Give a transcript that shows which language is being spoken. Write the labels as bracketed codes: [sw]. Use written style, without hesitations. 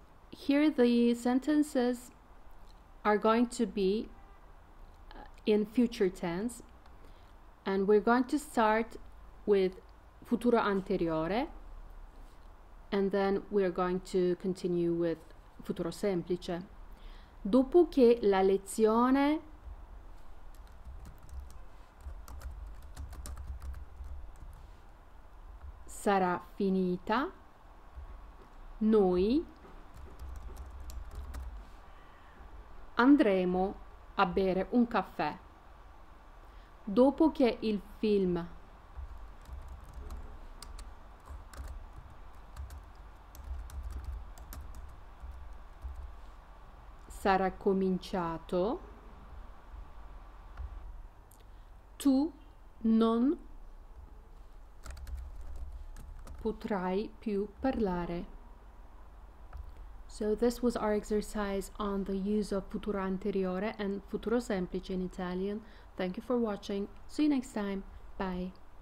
[en] Here the sentences are going to be in future tense and we're going to start with futuro anteriore and then we're going to continue with futuro semplice. [it] Dopo che la lezione sarà finita, noi andremo a bere un caffè. Dopo che il film sarà cominciato, tu non potrai più parlare. [en] So this was our exercise on the use of futuro anteriore and futuro semplice in Italian. Thank you for watching. See you next time. Bye.